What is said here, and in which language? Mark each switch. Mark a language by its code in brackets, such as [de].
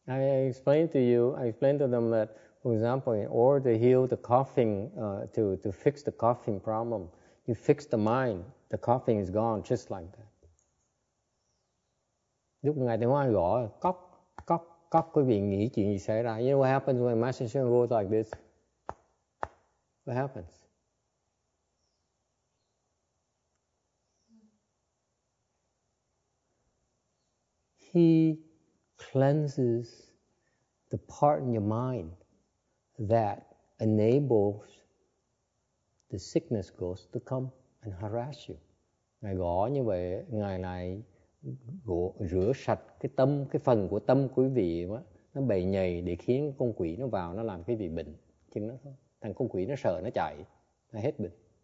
[en] I explained to them that, for example, in order to heal the coughing, to fix the coughing problem, you fix the mind, the coughing is gone, just like that. [vi] Lúc ngày Tiên Hóa gõ, cóc, cóc, cóc, quý vị nghĩ chuyện gì xảy ra. [en] You know what happens when Master Shen goes like this? What happens? He cleanses the part in your mind that enables the sickness ghost to come and harass you. [vi] Ngài gõ như vậy, ngài lại gõ, rửa sạch cái tâm, cái phần của tâm quý vị đó, nó bầy nhầy để khiến con quỷ nó vào, nó làm cái vị bệnh. Chứ nó, thằng con quỷ nó sợ, nó chạy, nó hết bệnh.